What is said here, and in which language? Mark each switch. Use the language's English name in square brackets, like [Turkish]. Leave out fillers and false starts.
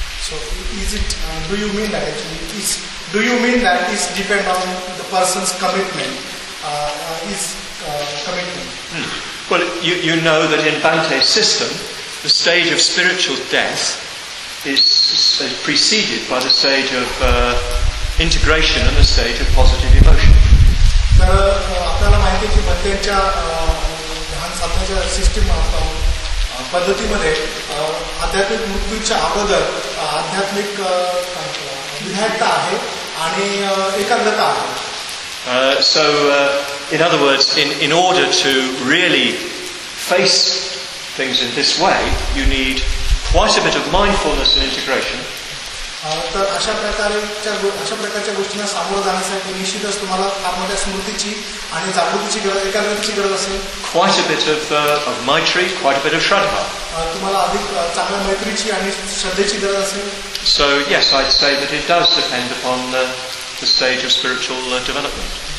[English] So, is it, do you mean that actually, is, do you mean that it depend on the person's commitment, his commitment? Well, you know that in Bhante's system, the stage of spiritual death is preceded by the stage of integration and the stage of positive emotion. [Marathi] तर आपल्याला माहिती आहे की भक्त्यांच्या ध्यान साधनाच्या system पद्धतीमध्ये आध्यात्मिक मृत्यूच्या अगोदर आध्यात्मिक विधायकता आहे आणि एकाग्रता आहे. [English] So in other words, in order to really face things in this way, you need quite a bit of mindfulness and integration. [Marathi] तर अशा प्रकारच्या गोष्टींना सामोरं जाण्यासाठी निश्चितच तुम्हाला फार मोठ्या स्मृतीची आणि जागृतीची गरज, एकाग्रतेची गरज असेल. [English] Quite a bit of maitri, quite a bit of shraddha. [Marathi] तुम्हाला अधिक चांगल्या मैत्रीची आणि श्रद्धेची गरज असेल. [English] So yes, I'd say that it does depend upon the stage of spiritual development.